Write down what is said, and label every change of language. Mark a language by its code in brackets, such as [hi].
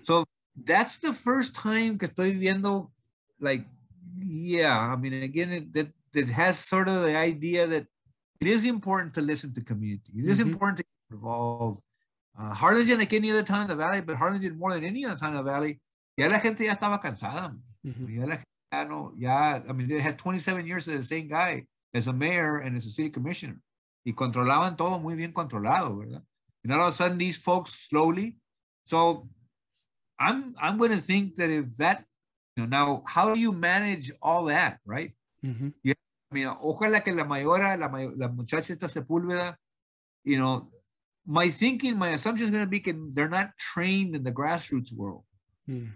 [en] So that's the first time [es] que estoy viendo, [en] like, yeah, I mean, again, that has sort of the idea that it is important to listen to community. It is important to get involved. Harlingen, like any other town in the valley, but Harlingen more than any other town in the valley, [es] ya la gente ya estaba cansada. [en] Mm-hmm. [es] Ya la gente ya no, ya, [en] I mean, they had 27 years of the same guy as a mayor and as a city commissioner. [es] Y controlaban todo muy bien controlado, ¿verdad? [en] And all of a sudden, these folks slowly. So I'm going to think that if that, now, how do you manage all that, right? Mm-hmm. Yeah, I mean, [es] ojalá que la mayora, la muchacha esta Sepúlveda, [en] you know, my thinking, my assumption is going to be can they're not trained in the grassroots world. Mm.